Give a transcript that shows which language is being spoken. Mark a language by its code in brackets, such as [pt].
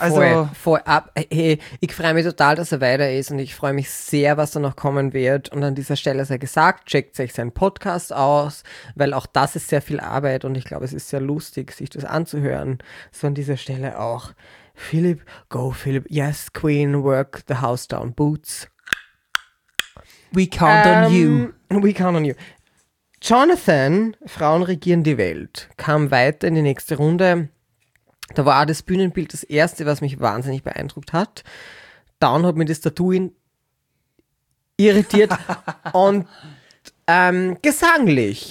[de] Also voll ab. Hey, ich freue mich total, dass er weiter ist und ich freue mich sehr, was da noch kommen wird. Und an dieser Stelle sei gesagt, checkt euch seinen Podcast aus, weil auch das ist sehr viel Arbeit und ich glaube, es ist sehr lustig, sich das anzuhören. So an dieser Stelle auch. [en] Philipp, go Philipp. Yes, Queen, work the house down, Boots. We count on you. We count on you. [de] Jonathan, Frauen regieren die Welt, kam weiter in die nächste Runde. Da war auch das Bühnenbild das erste, was mich wahnsinnig beeindruckt hat. Dann hat mich das Tattoo irritiert und gesanglich.